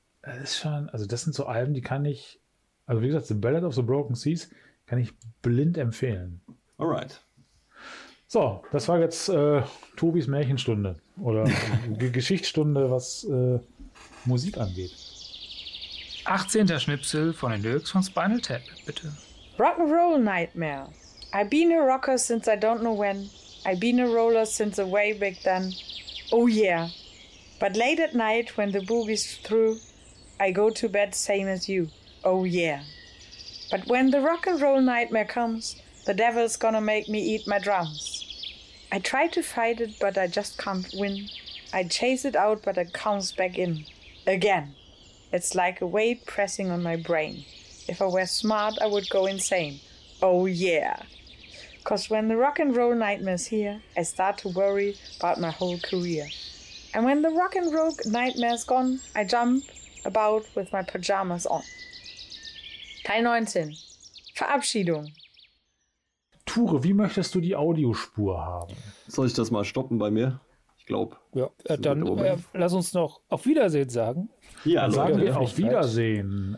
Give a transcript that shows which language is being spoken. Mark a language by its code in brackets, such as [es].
[de] Das ist schon, also das sind so Alben, die kann ich, also wie gesagt, The Ballad of the Broken Seas kann ich blind empfehlen. [en] Alright. [de] So, das war jetzt Tobis Märchenstunde oder Geschichtsstunde, was Musik angeht. 18. Schnipsel von den Lyrics von Spinal Tap, bitte. [en] Rock'n'Roll Nightmare. I've been a rocker since I don't know when. I've been a roller since way back then. Oh yeah. But late at night when the boogie's through, I go to bed same as you. Oh yeah. But when the rock and roll nightmare comes, the devil's gonna make me eat my drums. I try to fight it, but I just can't win. I chase it out, but it comes back in. Again. It's like a weight pressing on my brain. If I were smart, I would go insane. Oh yeah. 'Cause when the rock and roll nightmare's here, I start to worry about my whole career. And when the rock and roll nightmare's gone, I jump about with my pajamas on. [de] Teil 19. Verabschiedung. Ture, wie möchtest du die Audiospur haben? Soll ich das mal stoppen bei mir? Ich glaube. Ja, dann lass uns noch auf Wiedersehen sagen. Ja, also sagen wir auf Wiedersehen.